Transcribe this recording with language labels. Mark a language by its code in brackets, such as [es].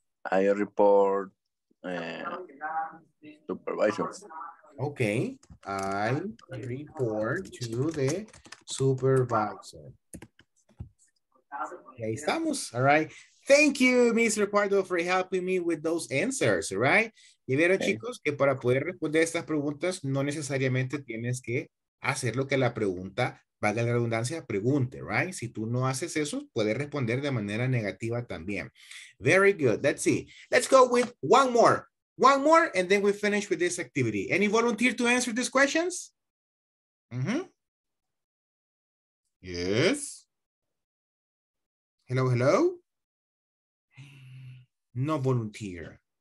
[en] I report supervisor. Okay. I report to the supervisor. [es] Ahí estamos. [en] All right. Thank you, Ms. Ricardo, for helping me with those answers, right? [es] Y vieron, okay, chicos, que para poder responder estas preguntas, no necesariamente tienes que hacer lo que la pregunta, valga la redundancia, pregunte, right? Si tú no haces eso, puedes responder de manera negativa también. [en] Very good. Let's see. Let's go with one more. One more, and then we finish with this activity. Any volunteer to answer these questions? Mm-hmm. Yes. Hello, hello. No volunteer.